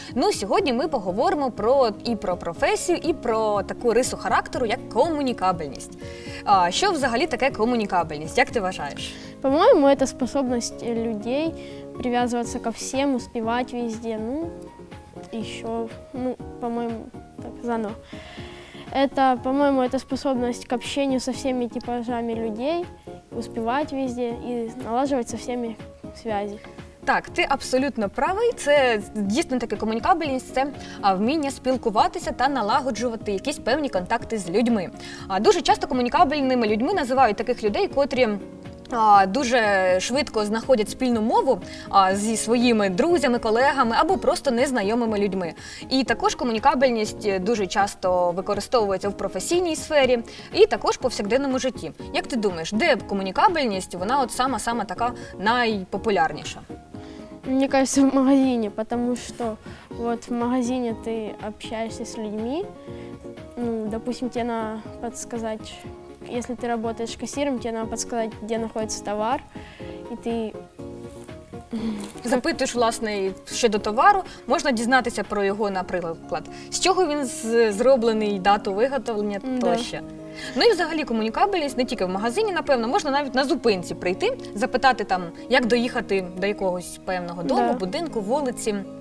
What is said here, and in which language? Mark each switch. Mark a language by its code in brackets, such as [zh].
[uk] Ну, сьогодні ми поговоримо про і про професію, і про таку рису характеру, як комунікабельність. А що взагалі таке комунікабельність? Як ти вважаєш? По-моєму, це способність людей прив'язуватися ко всім, успівати везде. Ну, і що, ну, по-моєму, так, заново. [ru] Это, по-моему, это способность к общению со всеми типажами людей, успевать везде и налаживать со всеми связи. [uk] Так, ти абсолютно правий. Це дійсно таке комунікабельність, це вміння спілкуватися та налагоджувати якісь певні контакти з людьми. А дуже часто комунікабельними людьми називають таких людей, котрі дуже швидко знаходять спільну мову зі своїми друзями, колегами або просто незнайомими людьми. І також комунікабельність дуже часто використовується в професійній сфері і також в повсякденному житті. Як ти думаєш, де комунікабельність, вона от сама-сама така найпопулярніша? Мені кажется, в магазині, тому що от в магазині ти общаєшся з людьми, ну, допустим, тебе на підказати. [ru] Если ты работаешь кассиром, тебе надо подсказать, где находится товар, и ты [uk] запитуєш, власне, щодо товару, можна дізнатися про його, наприклад, з чого він зроблений, дату виготовлення тощо. Ну і взагалі комунікабельність не тільки в магазині, напевно, можна навіть на зупинці прийти, запитати там, як доїхати до якогось певного дому, будинку, вулиці.